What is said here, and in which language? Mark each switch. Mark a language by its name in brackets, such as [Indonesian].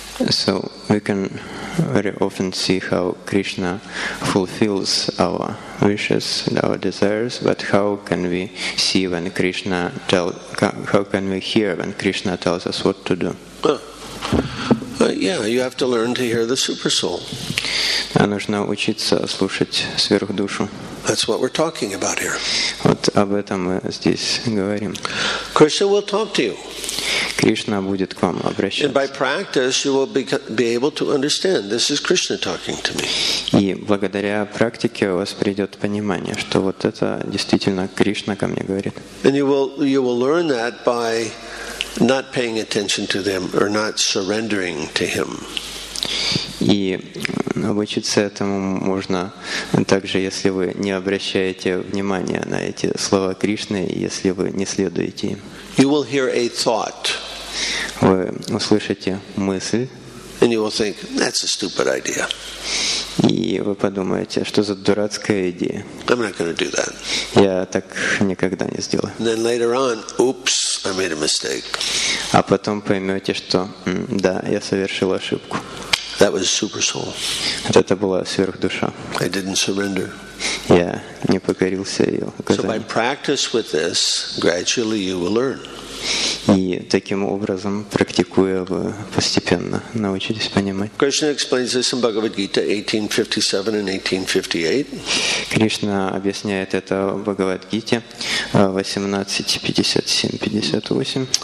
[English] So we can very often see how Krishna fulfills our wishes and our desires, but how can we hear when Krishna tells us what to do? You have to learn to hear the super soul. [Russian] Нужно учиться слушать сверхдушу. [English] That's what we're talking about here. [Russian] Вот об этом мы здесь говорим. [English] Krishna will talk to you. [Russian] Кришна будет к вам обращаться. [English] And by practice you will be able to understand this is Krishna talking to me. [Russian] И благодаря практике у вас придёт понимание, что вот это действительно Кришна ко мне говорит. [English] And you will learn that by not paying attention to them or not surrendering to him. [Russian] И научиться этому можно также, если вы не обращаете внимания на эти слова Кришны, если вы не следуете им. [English] You will hear a thought. [Russian] Вы услышите мысль. [English] And you will think, that's a stupid idea. [Russian] И вы подумаете, что за дурацкая идея. [English] I'm not going to do that. [Russian] Я так никогда не сделаю. [English] And then later on, oops, I made a mistake. [Russian] А потом поймете, что да, я совершил ошибку. [English] That was super soul. [Russian] Это была сверхдуша. [English] I didn't surrender. [Russian] Я не покорился ее. [English] So by practice with this, gradually you will learn. [Russian] И таким образом, практикуя, вы постепенно научитесь понимать. [English] Krishna explains this in Bhagavad Gita 18:57 and 18:58. [Russian] Кришна объясняет это в Бхагавад-гите 18:57-58.